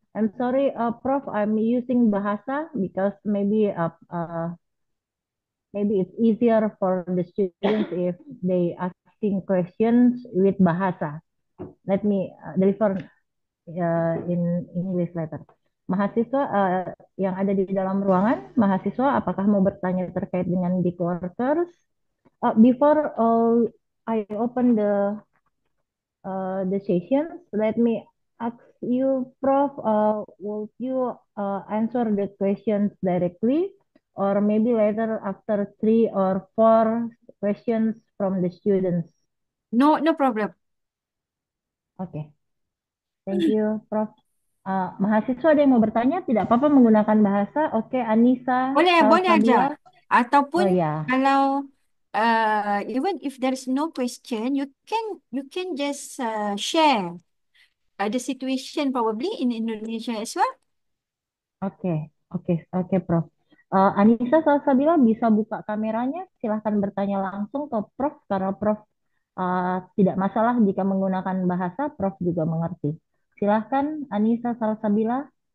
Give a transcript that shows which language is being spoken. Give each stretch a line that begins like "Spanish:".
English: I'm sorry, Prof, I'm using bahasa because maybe it's easier for the students if they asking questions with bahasa. Let me deliver in English later.
Indonesian: Mahasiswa yang ada di dalam ruangan, mahasiswa, apakah mau bertanya terkait dengan gig workers?
English: Before I open the session, let me ask you, Prof, would you answer the questions directly, or maybe later after 3 or 4 questions from the students? No, no problem. Okay, thank you, Prof.
Indonesian: Mahasiswa ada yang mau bertanya, tidak apa-apa menggunakan bahasa. Oke, okay, Anissa. Boleh, boleh aja. Ataupun kalau
English: even if there is no question, you can just share the situation probably in Indonesia as well.
Indonesian: Oke, Prof. Anissa Salsabila bisa buka kameranya, silahkan bertanya langsung ke Prof, karena Prof tidak masalah jika menggunakan bahasa, Prof juga mengerti. Silahkan, Anissa Salsabila.